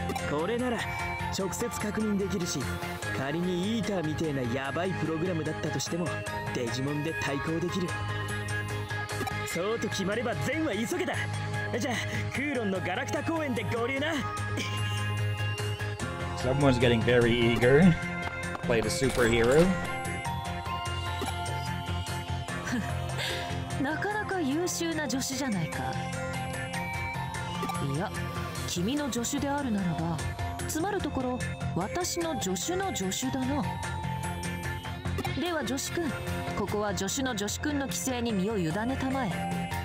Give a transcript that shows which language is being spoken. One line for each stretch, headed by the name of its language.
Japanese: これなら直接確認できるし、仮にイーターみてえなヤバいプログラムだったとしてもデジモンで対抗できる。そうと決まれば善は急げだ。じゃあ空論のガラクタ公園で合流な。
English: Someone's getting very eager to play the superhero.
Japanese: なかなか優秀な助手じゃないか。いや、君の助手であるならば、つまるところ私の助手の助手だな。では助手君、ここは助手の助手君の規制に身を委ねたまえ。